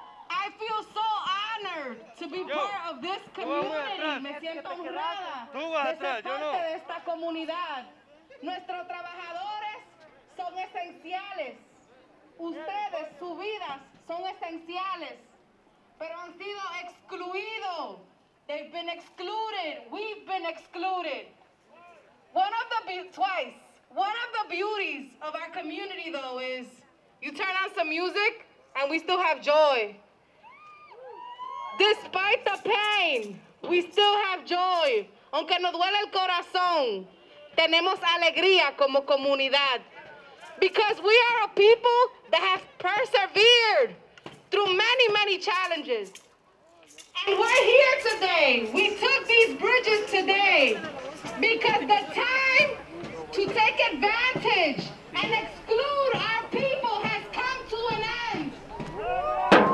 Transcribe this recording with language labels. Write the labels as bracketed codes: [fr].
[en] I feel so honored to be part of this community. [es] Me siento honrada de ser parte de esta comunidad. Nuestros trabajadores son esenciales. Ustedes, sus vidas son esenciales. Pero han sido excluidos. [en] They've been excluded. We've been excluded. One of the twice. One of the beauties of our community, though, is you turn on some music and we still have joy. Despite the pain, we still have joy. [es] Aunque nos duele el corazón, tenemos alegría como comunidad. [en] Because we are a people that have persevered through many, many challenges. And we're here today. We took these bridges today because the time to take advantage and exclude our people has come to an end.